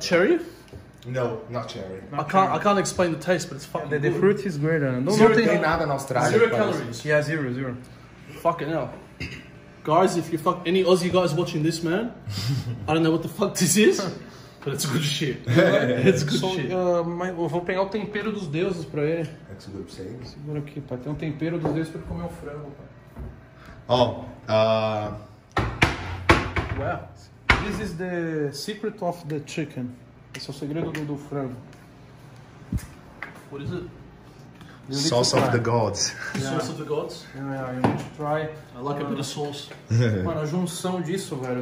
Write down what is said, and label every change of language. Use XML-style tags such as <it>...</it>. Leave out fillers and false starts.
<en>Cherry? No, not cherry. I can't explain the taste, but it's fucking the fruit is guarana. No, nothing in Australia. Zero calories. Yeah, zero. Fucking hell. Guys, if you fuck any Aussie guys watching this, man, I don't know what the fuck this is. But it's good shit.</en> <pt>Eu vou pegar o tempero dos deuses pra ele.</pt> <en>That's a good saying.</en> <pt>Segura aqui, pai. Tem um tempero dos deuses pra comer o frango, pai.</pt> <en>Oh. Well, this is the secret of the chicken.</en> <pt>Esse é o segredo do frango.</pt> <en>What is it? Sauce of the gods. Yeah. Sauce of the gods? Yeah, you want to try. I like a bit of sauce.</en> <pt>Mano, a junção disso, velho.</pt>